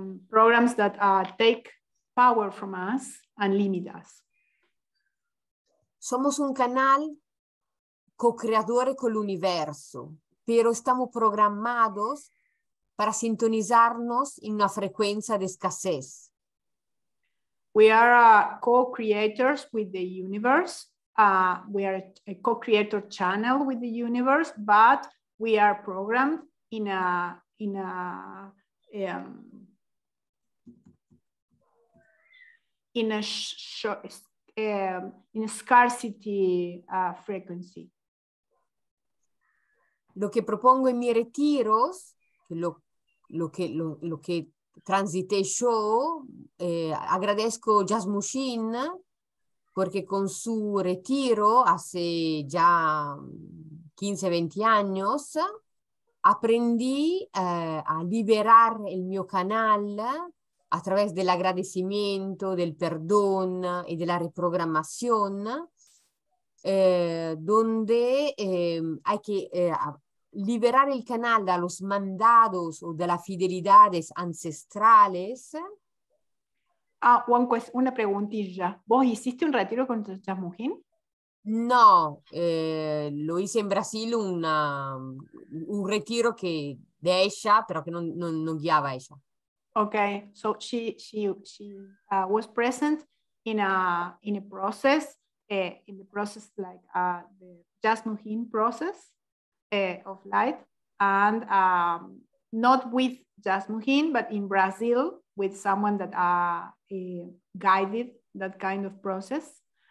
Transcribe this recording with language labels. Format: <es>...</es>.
<en>programs that take power from us and limit us.</en> <es>Somos un canal co-creador con el universo, pero estamos programados para sintonizarnos en una frecuencia de escasez.</es> <en>We are co-creators with the universe. We are a co-creator channel with the universe, but we are programmed in a scarcity frequency.</en> <es>Lo que propongo en mis retiros, lo que transité yo, agradezco Jazz Machine, porque con su retiro hace ya 15, 20 años, aprendí a liberar el mio canal a través del agradecimiento, del perdón y de la reprogramación, donde hay que liberar el canal de los mandados o de las fidelidades ancestrales. Ah, una preguntilla. ¿Vos hiciste un retiro con Jazz Machine? No, lo hice en Brasil, un retiro que de ella, pero que no guiaba ella.</es> <en>Okay, so she was present in a process, in the process like the Jazz Machine process of light, and not with Jazz Machine, but in Brazil with someone that guided that kind of process.</en>